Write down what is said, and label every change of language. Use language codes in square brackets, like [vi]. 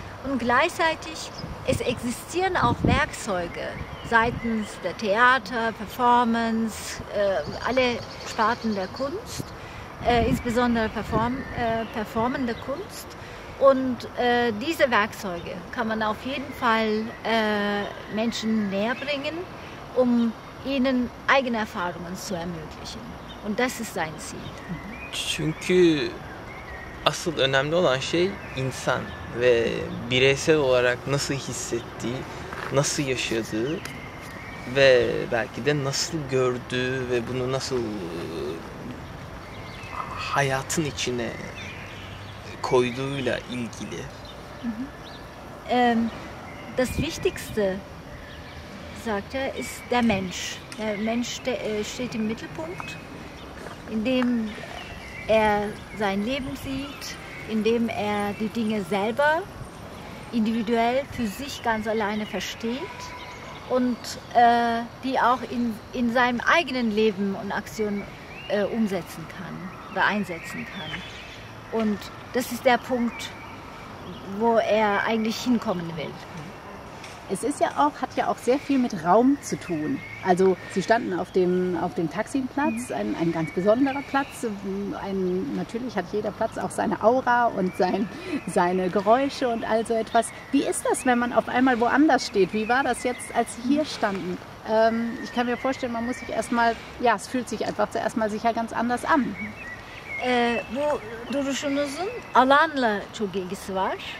[de] Und gleichzeitig, es existieren auch Werkzeuge seitens der Theater, Performance, alle Sparten der Kunst, insbesondere performende Kunst. Und diese Werkzeuge kann man auf jeden Fall Menschen näher bringen, um ihnen eigene Erfahrungen zu ermöglichen. Und das ist sein Ziel. [tr] Çünkü asıl önemli olan şey insan ve bireysel olarak nasıl hissettiği, nasıl yaşadığı ve belki de nasıl gördüğü ve bunu nasıl hayatın içine koyduğuyla ilgili. [de] Das Wichtigste, sagt er, ist der Mensch. Der Mensch steht im Mittelpunkt, in dem er sein Leben sieht, in dem er die Dinge selber individuell für sich ganz alleine versteht und die auch in seinem eigenen Leben und Aktion umsetzen kann oder einsetzen kann. Und das ist der Punkt, wo er eigentlich hinkommen will. Es ist ja auch, hat ja auch sehr viel mit Raum zu tun. Also Sie standen auf dem Taksim-Platz, ein ganz besonderer Platz. Natürlich hat jeder Platz auch seine Aura und seine Geräusche und all so etwas. Wie ist das, wenn man auf einmal woanders steht? Wie war das jetzt, als Sie hier standen? Ich kann mir vorstellen, man muss sich erstmal, ja, es fühlt sich einfach zuerst mal sicher ganz anders an. [tr] Bu duruşunuzun alanla çok ilgisi var.